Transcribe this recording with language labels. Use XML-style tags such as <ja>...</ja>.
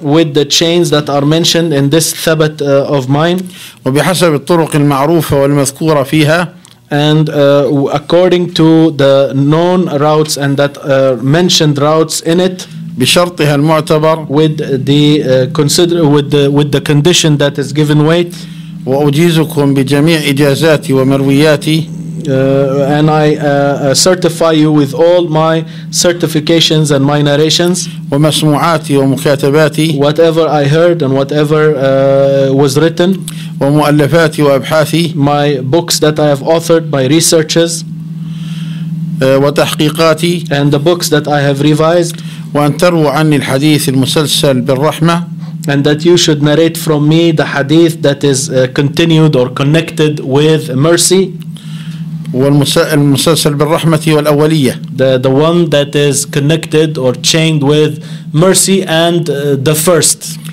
<en>With the chains that are mentioned in this ثبت of mine.</en> <ar>وبحسب الطرق المعروفة والمذكورة فيها.</ar> <en>And according to the known routes and that mentioned routes in it.</en> <ar>بشرطها المعتبر.</ar> <en>With the consider with the condition that is given weight.</en> <ar>وأجيزكم بجميع إجازاتي ومروياتي.</ar> <en>And I certify you with all my certifications and my narrations.</en> <ar>ومسموعاتي ومكاتباتي.</ar> <en>Whatever I heard and whatever was written.</en> <ar>ومؤلفاتي وأبحاثي.</ar> <en>My books that I have authored, my researches.</en> <ar>وتحقيقاتي.</ar> <en>And the books that I have revised.</en> <ar>وأن تروى عني الحديث المسلسل بالرحمة.</ar> <en>And that you should narrate from me the hadith that is continued or connected with mercy.</en> <ar>والمسلسل بالرحمة والأولية.</ar> <en>The one that is connected or chained with mercy and the first.</en>